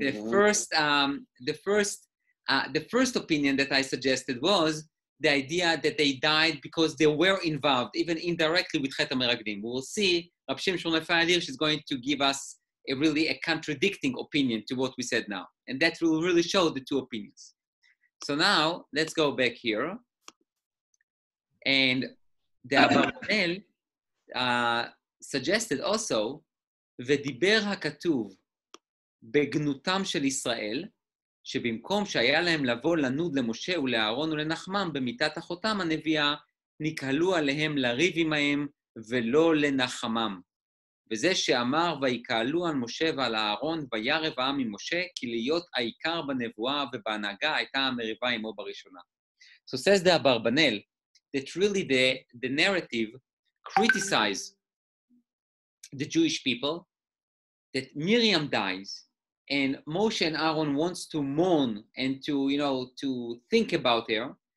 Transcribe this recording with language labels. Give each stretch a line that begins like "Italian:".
English: The first opinion that I suggested was the idea that they died because they were involved, even indirectly, with Chet HaMeraglim. We will see. Rav Shimshon Lefayadir, she's going to give us a contradicting opinion to what we said now. And that will really show the two opinions. So now let's go back here. And the Abarnel suggested also,
Hebrew: ודיבר הכתוב בגנותם של ישראל, שבמקום שהיה להם לבוא לנוד למשה ולאהרון ולנחמם במיטת אחותם הנביאה, נקהלו עליהם לריב עמהם ולא לנחמם. וזה שאמר ויקהלו על משה ועל אהרון וירב העם ממשה, כי להיות העיקר בנבואה ובהנהגה הייתה המריבה עמו בראשונה.
English: So says the Abarnel, that really the narrative criticized the Jewish people, that Miriam dies, and Moshe and Aaron wants to mourn and to, you know, to think about her.